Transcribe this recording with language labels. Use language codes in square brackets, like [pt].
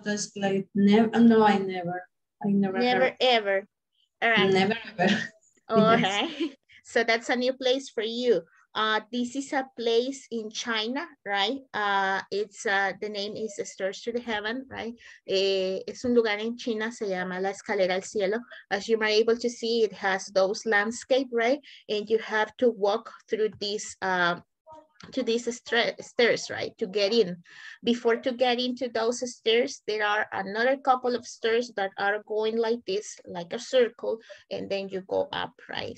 [en] About this place. Never. No, I never. I never heard. Ever. All right. Never ever. Okay. Yes. So that's a new place for you. This is a place in China, right? It's the name is Stairs to the Heaven, right? [es] Es un lugar en China, se llama La Escalera al Cielo. [en] As you might be able to see, it has those landscape, right? And you have to walk through this to these stairs, right, to get in. Before to get into those stairs, there are another couple of stairs that are going like this, like a circle, and then you go up, right?